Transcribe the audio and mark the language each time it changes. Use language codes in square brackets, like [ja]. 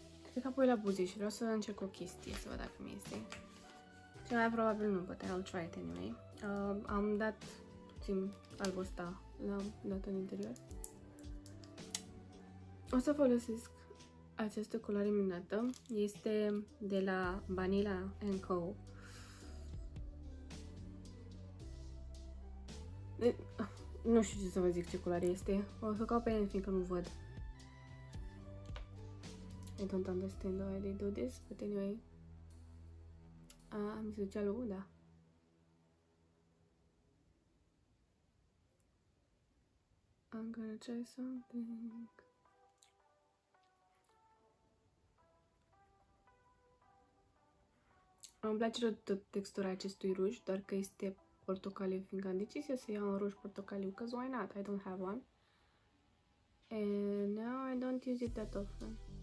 [ro] Cred că apoi la buze și vreau să încerc o chestie, să văd dacă mi iese. Cel mai probabil nu, [en] but I'll try it anyway. [ro] Am dat puțin albul ăsta, l-am dat în interior. O să folosesc această culoare minunată. Este de la Vanilla & Co. Nu știu ce să vă zic ce culoare este. O să caut pe el, fiindcă nu văd. [en] I don't understand why they do this, but anyway. [ro] Am zis cea lui, da. [en] I'm gonna try something. [ro] Îmi place tot textura acestui ruj, doar că este portocaliu, fiindcă am decis să iau un ruj portocaliu, [en] because why not? I don't have one. And now I don't use it that often.